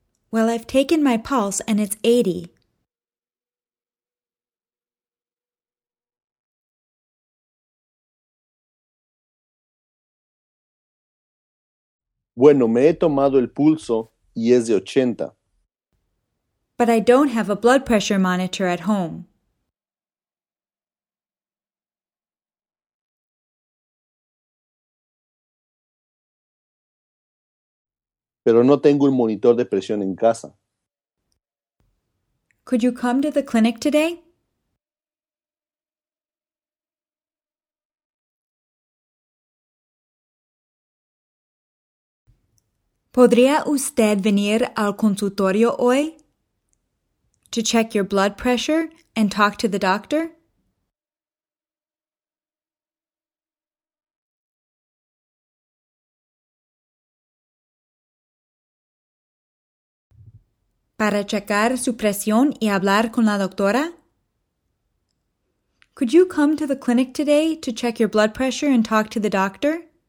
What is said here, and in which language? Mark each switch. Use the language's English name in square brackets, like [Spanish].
[English] Well, I've taken my pulse and it's 80. [Spanish] Bueno, me he tomado el pulso y es de 80. [English] But I don't have a blood pressure monitor at home. [Spanish] Pero no tengo un monitor de presión en casa. [English] Could you come to the clinic today? [Spanish] ¿Podría usted venir al consultorio hoy [English] to check your blood pressure and talk to the doctor? [Spanish] ¿Para checar su presión y hablar con la doctora? [English] Could you come to the clinic today to check your blood pressure and talk to the doctor?